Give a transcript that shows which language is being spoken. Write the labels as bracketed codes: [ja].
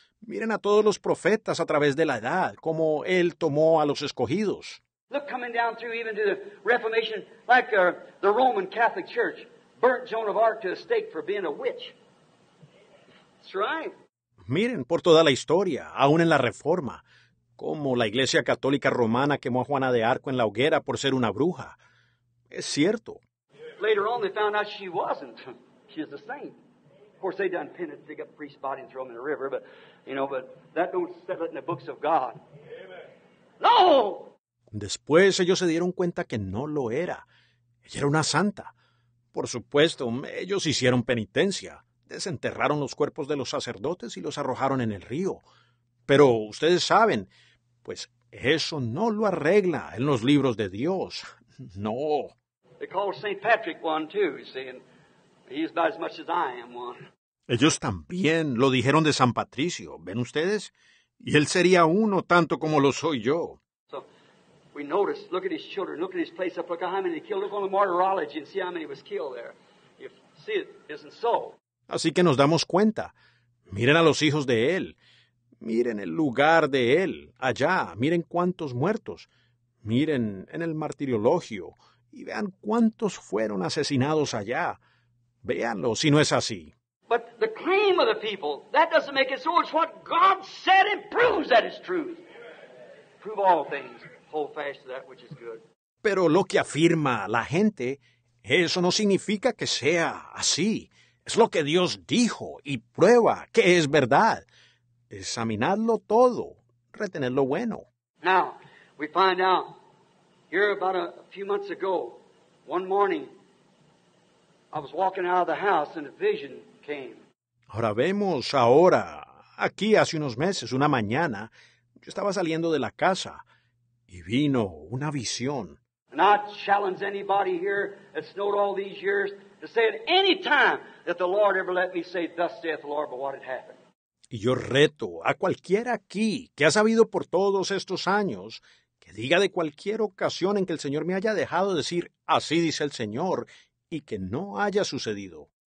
[es] Miren a todos los profetas a través de la edad, como él tomó a los escogidos. [en] Look coming down through even to the Reformation, like the Roman Catholic Church burnt Joan of Arc to the stake for being a witch. That's right. [es] Miren por toda la historia, aún en la Reforma, como la Iglesia Católica Romana quemó a Juana de Arco en la hoguera por ser una bruja. Es cierto. [en] Later on, they found out she wasn't. She's a saint. Of course, they done penance, dig up a priest's body and throw him in the river, but, you know, but that don't settle it in the books of God. Amen. No! [es] Después ellos se dieron cuenta que no lo era. Ella era una santa. Por supuesto, ellos hicieron penitencia. Desenterraron los cuerpos de los sacerdotes y los arrojaron en el río. Pero ustedes saben, pues eso no lo arregla en los libros de Dios. No. [en] They call St. Patrick one, too, you see, and he's about as much as I am one. [es] Ellos también lo dijeron de San Patricio, ¿ven ustedes? Y él sería uno tanto como lo soy yo. [en] So, we notice, look at his children, look at his place up, look at how many he killed, look on the martyrology and see how many was killed there. If see it isn't so. [es] Así que nos damos cuenta. Miren a los hijos de él. Miren el lugar de él, allá. Miren cuántos muertos. Miren en el martiriologio. Y vean cuántos fueron asesinados allá. Véanlo, si no es así. [en] But the claim of the people, that doesn't make it so. It's what God said and proves that it's true. Prove all things. Hold fast to that which is good. [es] Pero lo que afirma la gente, eso no significa que sea así. Es lo que Dios dijo y prueba que es verdad. Examinadlo todo. Retened lo bueno. [en] Now, we find out here about a few months ago, one morning, I was walking out of the house and a vision came. [es] Ahora vemos ahora, aquí hace unos meses, una mañana, yo estaba saliendo de la casa y vino una visión. [en] And I challenge anybody here that's known all these years to say at any time that the Lord ever let me say, thus saith the Lord, but what had happened. [es] Y yo reto a cualquiera aquí que ha sabido por todos estos años que diga de cualquier ocasión en que el Señor me haya dejado decir, así dice el Señor, y que no haya sucedido.